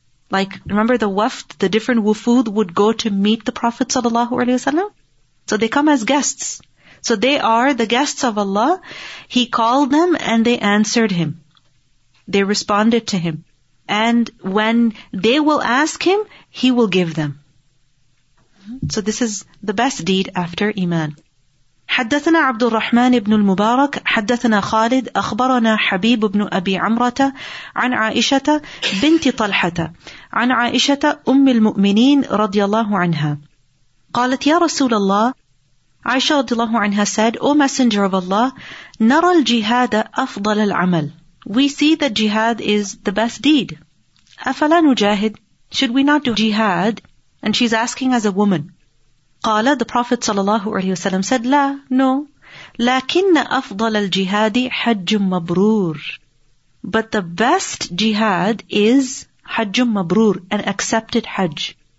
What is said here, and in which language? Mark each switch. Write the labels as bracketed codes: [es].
[en] Like, remember the wafd, the different wufud would go to meet the Prophet sallallahu alaihi wasallam, so they come as guests. So they are the guests of Allah. He called them and they answered him. They responded to him. And when they will ask him, he will give them. So this is the best deed after Iman. [ar] حدثنا عبد الرحمن بن المبارك حدثنا خالد أخبرنا حبيب بن أبي عمرة عن عائشة بنت طلحة عن عائشة أم المؤمنين رضي الله عنها قالت يا رسول الله. عائشة رضي الله عنها [en] said, O Messenger of Allah, [ar] نرى الجهاد أفضل العمل. [en] We see that jihad is the best deed. [ar] أَفَلَا نُجَاهِدْ, [en] should we not do jihad? And she's asking as a woman. قَالَ, the Prophet صلى الله عليه وسلم said, لا, no. [ar] لَكِنَّ أَفْضَلَ الْجِهَادِ حَجٌّ مَبْرُورٌ, [en] but the best jihad is حَجٌّ مَبْرُورٌ, an accepted Hajj.